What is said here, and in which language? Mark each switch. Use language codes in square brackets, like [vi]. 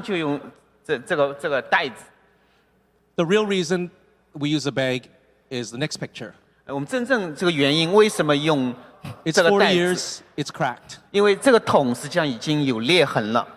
[zh] 所以我的父母因为吃的比较少，所以他们就用这个袋子。 [en] The real reason we use a bag is the next picture. [zh] 我们真正这个原因为什么用这个袋子？ [en] It's 40 years, it's cracked. [zh] 因为这个桶实际上已经有裂痕了。